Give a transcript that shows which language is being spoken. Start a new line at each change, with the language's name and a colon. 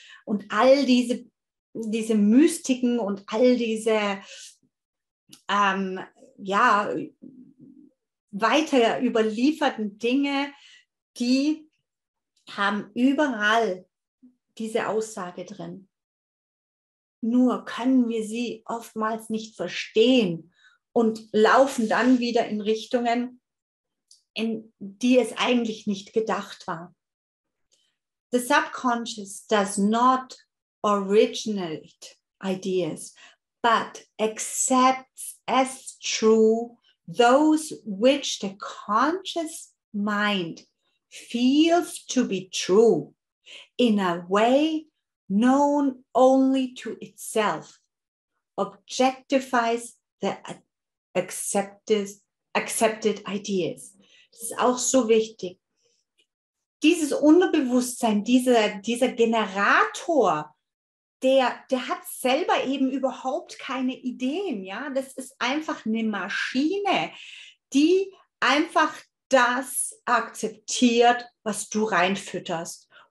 German: Und all diese Mystiken und all diese weiter überlieferten Dinge, die haben überall diese Aussage drin. Nur können wir sie oftmals nicht verstehen. Und laufen dann wieder in Richtungen, in die es eigentlich nicht gedacht war.
English: The subconscious does not originate ideas, but accepts as true those which the conscious mind feels to be true in a way known only to itself, objectifies the accepted ideas.
German: Das ist auch so wichtig. Dieses Unterbewusstsein, dieser Generator, der hat selber eben überhaupt keine Ideen. Ja? Das ist einfach eine Maschine, die einfach das akzeptiert, was du reinfütterst.